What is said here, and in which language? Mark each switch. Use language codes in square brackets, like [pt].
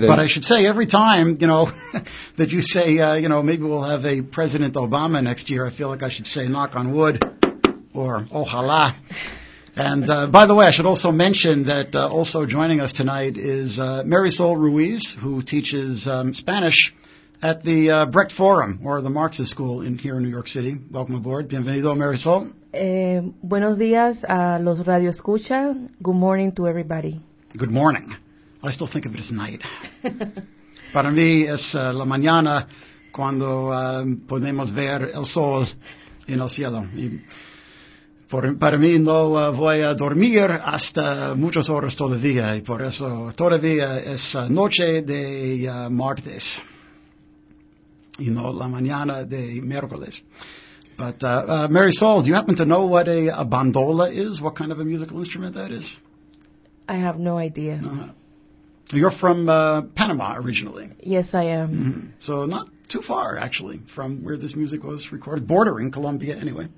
[en] But I should say, every time, that you say, maybe we'll have a President Obama next year, I feel like I should say knock on wood or ojalá. And by the way, I should also mention that also joining us tonight is Marisol Ruiz, who teaches Spanish at the Brecht Forum, or the Marxist School here in New York City. Welcome aboard. [es] Bienvenido, [en] Marisol. [es] Buenos días a los radio escucha. [en] Good morning to everybody. Good morning. I still think of it as night. [es] Para mí es la mañana cuando podemos ver el sol en el cielo. Para mí no voy a dormir hasta muchas horas todavía, y por eso todavía es noche de martes y no la mañana de miércoles. [en] But Mary Saul, do you happen to know what a bandola is? What kind of a musical instrument that is? I have no idea. You're from Panama originally. Yes, I am. Mm-hmm. So not too far, actually, from where this music was recorded, bordering Colombia anyway.